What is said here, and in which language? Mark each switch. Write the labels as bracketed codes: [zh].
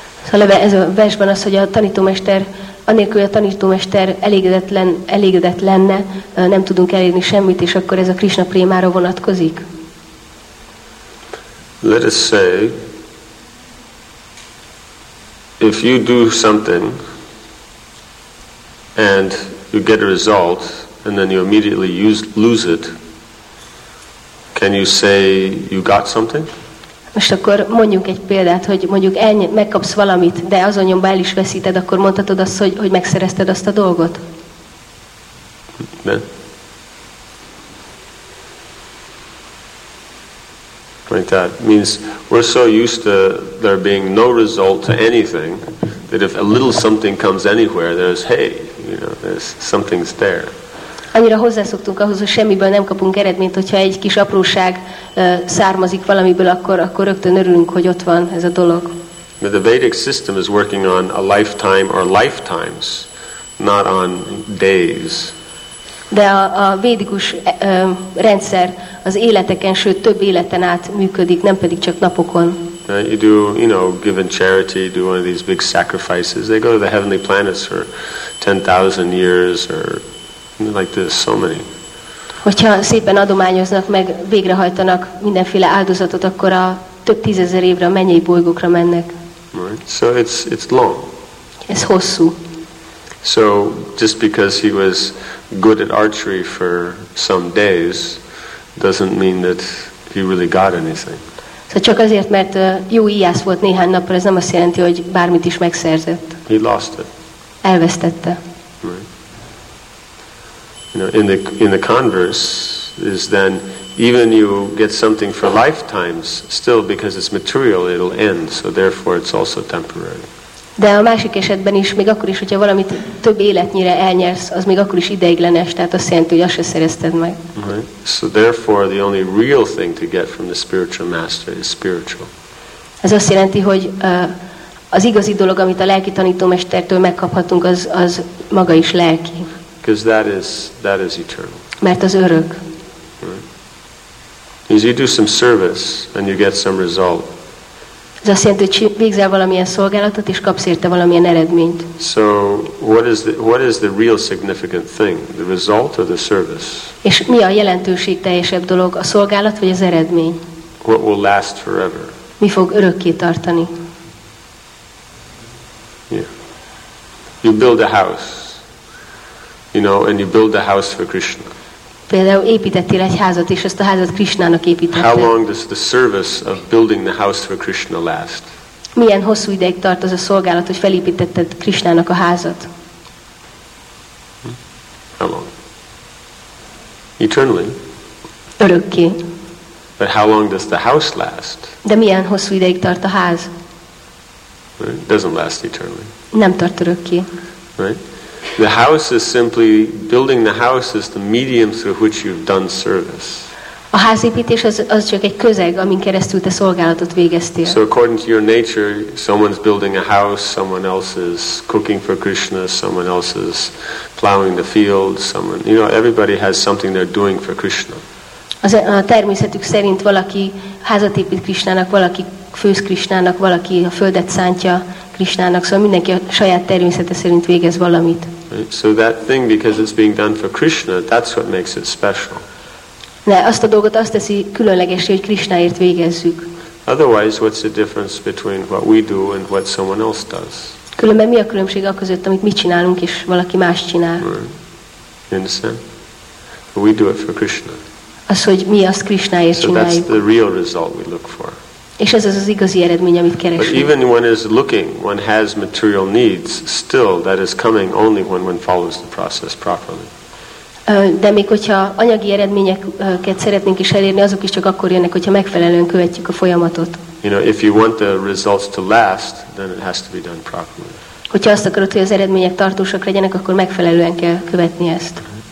[hu] Szóval ez a versben az, hogy a tanítómester anélkül, hogy a tanítómester elégedett lenne, nem tudunk elérni semmit, és akkor ez a Krishna prémára vonatkozik. [en] Let us say, if you do something and you get a result and then you immediately lose it, can you say you got something? [hu] Most akkor mondjuk egy példát, hogy mondjuk megkapsz valamit, de azon nyomba el is veszíted, akkor mondhatod azt, hogy megszerezted azt a dolgot? Ne. [en] Like that means we're so used to there being no result to anything that if a little something comes anywhere, there's hey, you know, there's something's there. [hu] Annyira hozzászoktunk ahhoz, hogy semmiből nem kapunk eredményt, hogyha egy kis apróság származik valamiből, akkor rögtön örülünk, hogy ott van ez a dolog. [en] The Vedic system is working on a lifetime or lifetimes, not on days. [hu] De a védikus rendszer az életeken, sőt több életen át működik, nem pedig csak napokon. [en] You do, you know, given charity, do one of these big sacrifices. They go to the heavenly planets for 10,000 years or like this, so many. [hu] Hogyha szépen adományoznak, meg végrehajtanak mindenféle áldozatot, akkor a több tízezer évre a mennyei bolygókra mennek. [en] Right. So it's long. [hu] Ez hosszú. [en] So just because he was good at archery for some days doesn't mean that he really got anything. [hu] Szóval csak azért, mert jó íjász volt néhány napra, ez nem azt jelenti, hogy bármit is megszerzett. [en] He lost it. [hu] Elvesztette. [en] You know, in the converse is then even you get something for lifetimes still because it's material it'll end, so therefore it's also temporary. [hu] De a másik esetben is, még akkor is, hogyha valamit több életnyire elnyersz, az még akkor is ideiglenes, tehát azt jelenti, hogy azt se szerezted meg. [en] So therefore the only real thing to get from the spiritual master is spiritual. [hu] Ez azt jelenti, hogy az igazi dolog, amit a lelki tanítómestertől megkaphatunk, az maga is lelki. [en] Because that is eternal. [hu] Mert az örök. [en] Right. Is you do some service and you get some result. [hu] Ez azt jelenti, hogy végzel valamilyen szolgálatot és kapsz érte valamilyen eredményt. [en] So what is the real significant thing, the result or the service? [hu] És mi a jelentőség teljesebb dolog, a szolgálat vagy az eredmény? [en] What will last forever? [hu] Mi fog örökké tartani? [en] Yeah. You build a house, you know, and you build a house for Krishna. [hu] Például építettél egy házat, és ezt a házat Krishnának építettél. [en] How long does the service of building the house for Krishna last? [hu] Milyen hosszú ideig tart az a szolgálat, hogy felépítetted Krishnának a házat? [en] How long? Eternally. [hu] Örökké. [en] But how long does the house last? [hu] De milyen hosszú ideig tart a ház? [en] It doesn't last eternally. [hu] Nem tart örökké. [en] Right? The house is simply building the house is the medium through which you've done service. [hu] A házépítés az csak egy közeg, amin keresztül te szolgálatot végeztél. [en] So according to your nature, someone's building a house, someone else is cooking for Krishna, someone else is plowing the fields, someone, you know, everybody has something they're doing for Krishna. [hu] Az a természetük szerint valaki házat épít Krishnának, valaki főz Krishnának, valaki a földet szántja Krishnának, szóval mindenki a saját természete szerint végez valamit. [en] Right. So that thing, because it's being done for Krishna, that's what makes it special. [hu] De azt a dolgot azt teszi különlegesé, hogy Krishnáért végezzük. [en] Otherwise, what's the difference between what we do and what someone else does? [hu] Különben mi a különbség a között, amit mi csinálunk, és valaki más csinál? [en] Right. You understand? We do it for Krishna. [hu] Az, hogy mi azt Krishnáért csináljuk. [en] So that's the real result we look for. [hu] És ez az igazi eredmény, amit keresünk. [en] But even when is looking, one has material needs, still that is coming only when one follows the process properly. [hu] De még hogyha anyagi eredményeket szeretnénk is elérni, azok is csak akkor jönnek, hogyha megfelelően követjük a folyamatot. [en] You know, if you want the results to last, then it has to be done properly. [hu] Hogyha azt akarod, hogy az eredmények tartósak legyenek, akkor megfelelően kell követni ezt.